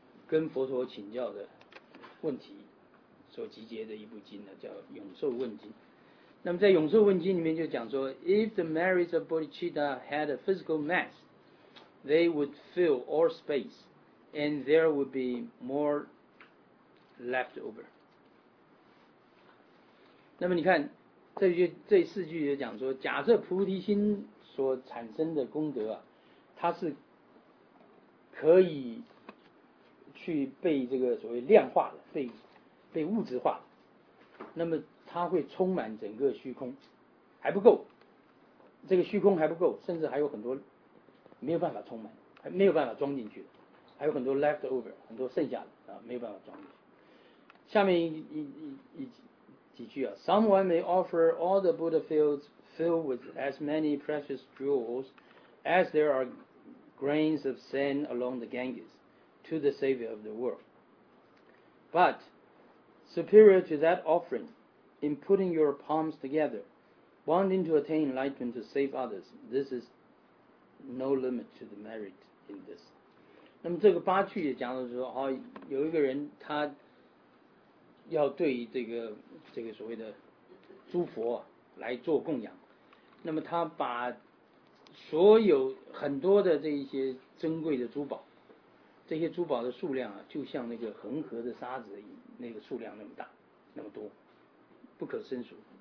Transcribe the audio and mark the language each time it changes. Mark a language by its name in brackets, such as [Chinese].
[Chinese] 跟佛陀请教的问题所集结的一部经呢，叫《永寿问经》。那么在《永寿问经》里面就讲说 [English] ，If the merits of bodhicitta had a physical mass, they would fill all space, and there would be more left over。 [Chinese] 那么你看，这四句就讲说，假设菩提心所产生的功德啊，它是可以去被这个所谓量化的，被物质化的，那么它会充满整个虚空，还不够，这个虚空还不够，甚至还有很多没有办法充满，还没有办法装进去的，还有很多 [English] left over， [Chinese] 很多剩下的啊，没有办法装进去。下面一句啊 [English] ，Someone may offer all the Buddha fields filled with as many precious jewels as there are grains of sand along the Ganges to the Savior of the world. But superior to that offering, in putting your palms together, wanting to attain enlightenment to save others, this is no limit to the merit in this. [Chinese] 那么这个八句也讲到说，好，有一个人他要对这个所谓的诸佛来做供养，那么他把所有很多的这一些珍贵的珠宝，这些珠宝的数量啊，就像那个恒河的沙子那个数量那么大，那么多，不可胜数。